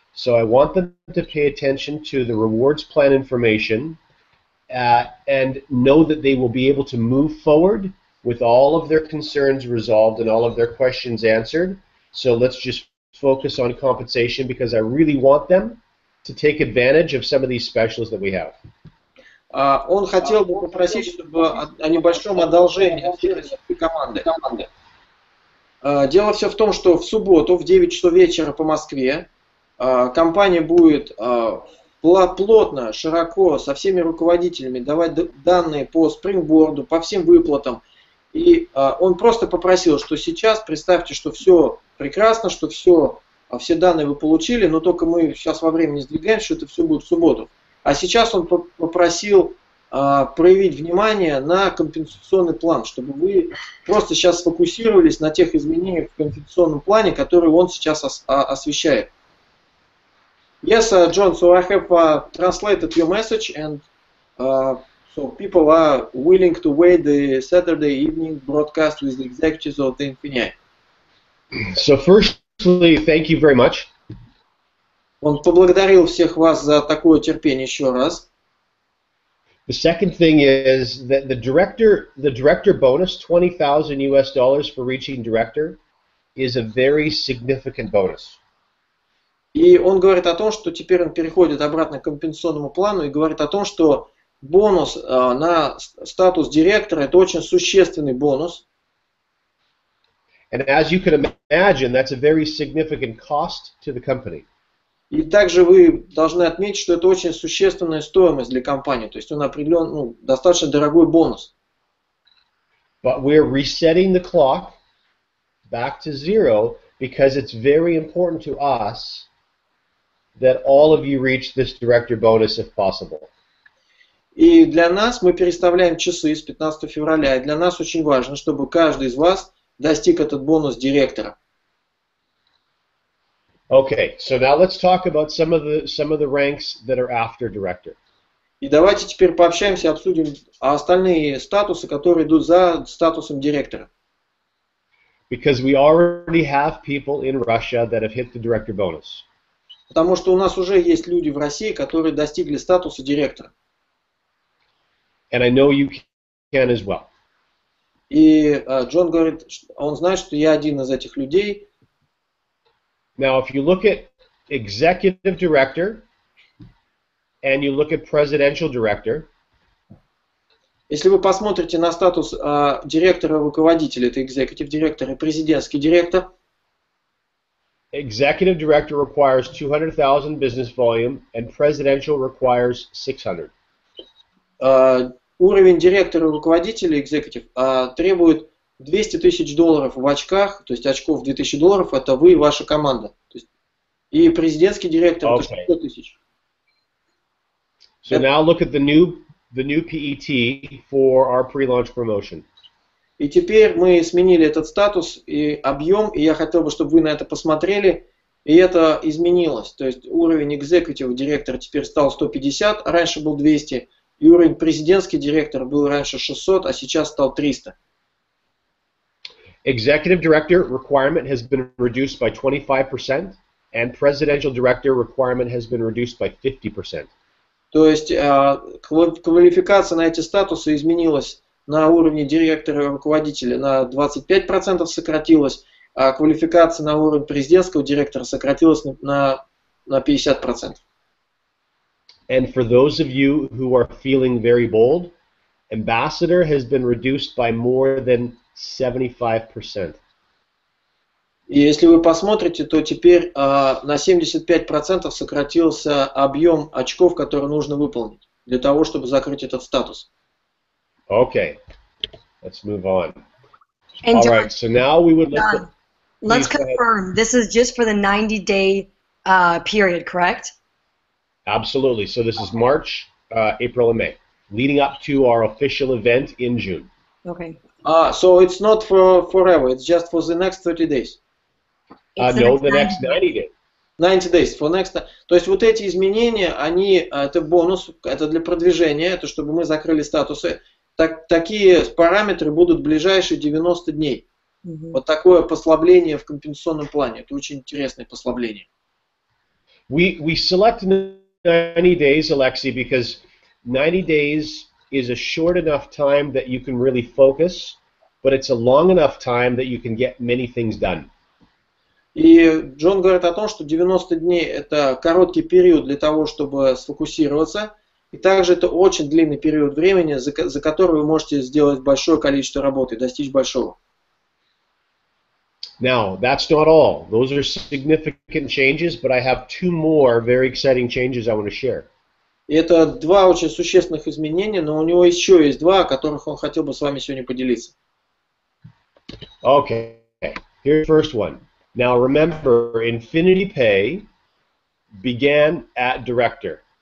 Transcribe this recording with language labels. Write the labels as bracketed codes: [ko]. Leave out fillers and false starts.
[en] So I want them to pay attention to the rewards plan information and know that they will be able to move forward with all of their concerns resolved and all of their questions answered. So let's just focus on compensation because I really want them to take advantage of some of these specials that we have. [ru] Он хотел бы попросить, чтобы о небольшом одолжении от всей команды. Дело все в том, что в субботу в 9 часов вечера по Москве компания будет плотно, широко со всеми руководителями давать данные по спрингборду, по всем выплатам. И он просто попросил, что сейчас представьте, что все прекрасно, что все данные вы получили, но только мы сейчас во времени сдвигаем, что это все будет в субботу. А сейчас он попросил проявить внимание на компенсационный план, чтобы вы просто сейчас сфокусировались на тех изменениях в компенсационном плане, которые он сейчас освещает. [en] Yes, John, so I have translated your message, and so people are willing to wait the Saturday evening broadcast with the executives of the Infineon. So firstly, thank you very much. [ru] Он поблагодарил всех вас за такое терпение еще раз. [en] The second thing is that the director bonus, $20,000 for reaching director, is a very significant bonus. [ru] И он говорит о том, что теперь он переходит обратно к компенсационному плану и говорит о том, что бонус на статус директора это очень существенный бонус. [en] And as you can imagine, that's a very significant cost to the company. [ru] И также вы должны отметить, что это очень существенная стоимость для компании, то есть он определен, ну, достаточно дорогой бонус. [en] But we're resetting the clock back to zero because it's very important to us that all of you reach this director bonus if possible. [ru] И для нас мы переставляем часы с 15 февраля, и для нас очень важно, чтобы каждый из вас достиг этот бонус директора. [en] Okay, so now let's talk about some of the ranks that are after director. [ru] И давайте теперь пообщаемся, обсудим остальные статусы, которые идут за статусом директора. [en] Because we already have people in Russia that have hit the director bonus. [ru] Потому что у нас уже есть люди в России, которые достигли статуса директора. [en] And I know you can as well. [ru] И Джон говорит, он знает, что я один из этих людей. [en] Now, if you look at executive director and you look at presidential director, [ru] если вы посмотрите на статус директора-руководителя, это [en] executive director [ru] и президентский директор, [en] executive director requires 200,000 business volume and presidential requires 600. [ru] Уровень директора-руководителя, executive, требует $200,000 в очках, то есть очков $2,000, это вы и ваша команда. То есть, и президентский директор, okay. Это 100,000. So это... [en] now look at the new PET for our pre-launch promotion. [ru] И теперь мы сменили этот статус и объем, и я хотел бы, чтобы вы на это посмотрели. И это изменилось. То есть уровень executive директора теперь стал 150, а раньше был 200. И уровень президентский директор был раньше 600, а сейчас стал 300. [en] Executive director requirement has been reduced by 25%, and presidential director requirement has been reduced by 50%. [ru] То есть квалификация на эти статусы изменилась на уровне директора и руководителя на 25% сократилась, а квалификация на уровне президентского директора сократилась на 50%. [en] And for those of you who are feeling very bold, ambassador has been reduced by more than 75%. [ru] И если вы посмотрите, то теперь на 75% сократился объем очков, которые нужно выполнить для того, чтобы закрыть этот статус. [en] Okay. Let's move on. And all right, so now we would like to... Let's confirm. This is just for the 90-day period, correct? Absolutely. So this is March, April, and May, leading up to our official event in June. Okay. So it's not for forever, it's just for the next 30 days. The next 90 days. For next. [ru] То есть вот эти изменения, они это бонус, это для продвижения, это чтобы мы закрыли статусы. Такие параметры будут в ближайшие 90 дней. Mm-hmm. Вот такое послабление в компенсационном плане. Это очень интересное послабление. [en] We select 90 days, Alexei, because 90 days is a short enough time that you can really focus, but it's a long enough time that you can get many things done. [ru] И Джон говорит о том, что 90 дней это короткий период для того, чтобы сфокусироваться, И также это очень длинный период времени, за который вы можете сделать большое количество работы, достичь большого. [en] Now, that's not all. Those are significant changes, but I have two more very exciting changes I want to share. [ru] Это два очень существенных изменения, но у него еще есть два, о которых он хотел бы с вами сегодня поделиться. [en] Okay, here's the first one. Now remember, Infinity Pay began at director.